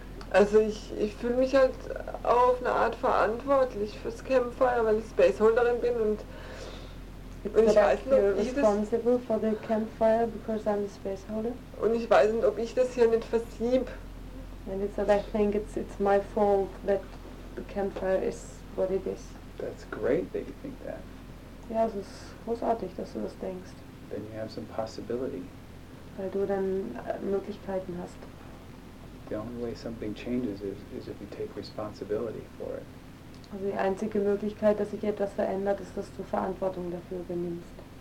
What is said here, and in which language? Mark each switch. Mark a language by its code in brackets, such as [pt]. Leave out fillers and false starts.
[de] Also ich fühle mich halt auf eine Art verantwortlich fürs Campfire, weil ich Spaceholderin bin und und ich weiß nicht, ob ich das hier nicht versieb. [en] And it's that I think it's my fault that the campfire is what it is. That's great that you think that. [de] Ja, es ist großartig, dass du das denkst. [en] Then you have some possibility. [de] Weil du dann Möglichkeiten hast. [en] The only way something changes is if you take responsibility for it. [de] Also die einzige Möglichkeit, dass sich etwas verändert, ist, dass du Verantwortung dafür übernimmst.